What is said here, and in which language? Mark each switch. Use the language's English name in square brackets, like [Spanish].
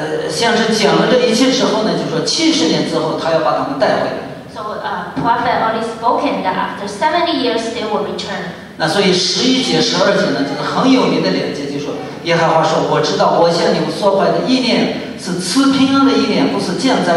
[Chinese] 先知讲了这一切之后呢，就说七十年之后他要把他们带回来。 [English] So prophet already spoken that after 70 years they will return. [Chinese] 那所以十一节、十二节呢，就是很有名的连接，就是说耶和华说，我知道我向你们说坏的意念是赐平安的意念，不是降